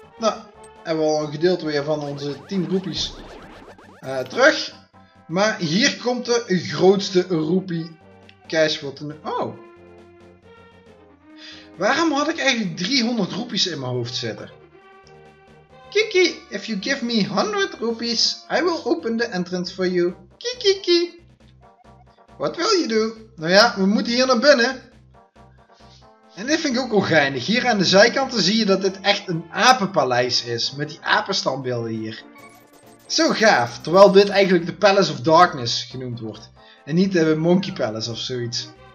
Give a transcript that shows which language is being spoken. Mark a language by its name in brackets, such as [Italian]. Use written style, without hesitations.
[Dutch] Nou, hebben we al een gedeelte weer van onze 10 roepies terug. Maar hier komt de grootste roepie cash. Waarom had ik eigenlijk 300 roepies in mijn hoofd zitten? [English] Kiki, if you give me 100 rupees, I will open the entrance for you. [Dutch] Kiki. Wat wil je doen? Nou ja, we moeten hier naar binnen. En dit vind ik ook wel geinig. Hier aan de zijkanten zie je dat dit echt een apenpaleis is. Met die apenstandbeelden hier. Zo gaaf. Terwijl dit eigenlijk de Palace of Darkness genoemd wordt. En niet de Monkey Palace of zoiets.